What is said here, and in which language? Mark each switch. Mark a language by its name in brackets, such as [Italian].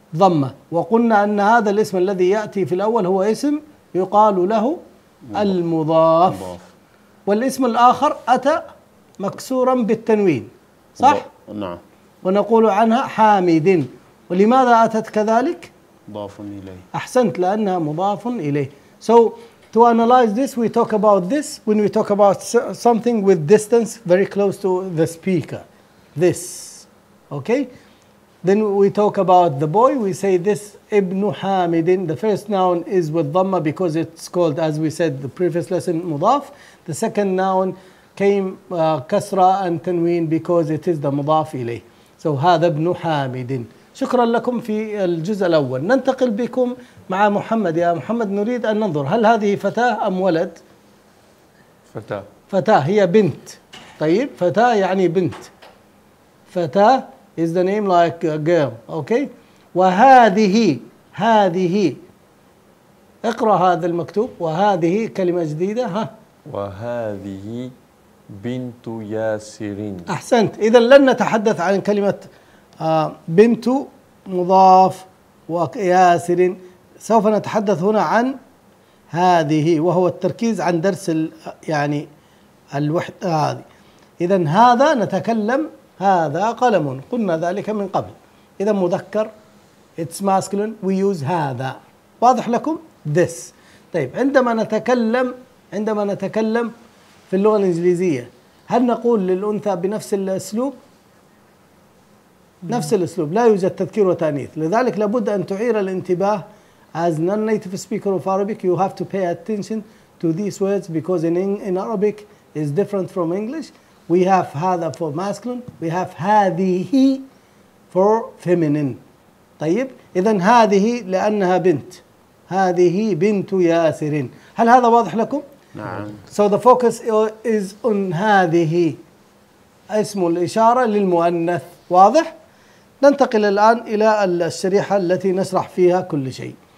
[Arabic] ضمة، وقلنا أن هذا الاسم الذي يأتي في الأول هو اسم يقال له المضاف، والاسم الآخر أتى مكسورا بالتنوين صح؟ نعم. ونقول عنها حامد، ولماذا أتت كذلك؟ مضاف إليه. أحسنت، لأنها مضاف إليه. [English] So to analyze this we talk about this when we talk about something with distance very close to the speaker. This. Okay? Then we talk about the boy, we say this [Arabic] ابن حامد. [English] The first noun is with ضمة because it's called, as we said the previous lesson, مضاف. The second noun came كسرة and تنوين because it is the مضاف إليه. [Arabic] So هذا ابن حامد. شكرا لكم في الجزء الأول. ننتقل بكم مع محمد. يا محمد نريد أن ننظر هل هذه فتاة أم ولد؟ فتاة. فتاة هي بنت. طيب فتاة يعني بنت. [English] فتاة is the name like a girl. Okay. [Arabic] وهذه، هذه اقرأ هذا المكتوب. وهذه كلمة جديدة ها. وهذه بنت ياسرين. أحسنت. إذن لن نتحدث عن كلمة بنت مضاف وياسرين، سوف نتحدث هنا عن هذه، وهو التركيز عن درس يعني الوحدة هذه. إذن هذا نتكلم، هذا قلم، قلنا ذلك من قبل. إذن مذكر [English] it's masculine we use [Arabic] هذا، واضح لكم this. طيب عندما نتكلم، عندما نتكلم في اللغة الإنجليزية هل نقول للأنثى بنفس الأسلوب؟ نفس الأسلوب، لا يوجد تذكير وتأنيث، لذلك لابد أن تعير الانتباه. [English] As non-native speaker of Arabic you have to pay attention to these words because in Arabic is different from English. We have هذا for masculine, we have هذه for feminine. [Arabic] طيب إذن هذه لأنها بنت، هذه بنت ياسر. هل هذا واضح لكم؟ نعم. [English] So the focus is on [Arabic] هذه، اسم الإشارة للمؤنث، واضح؟ ننتقل الآن إلى الشريحة التي نشرح فيها كل شيء.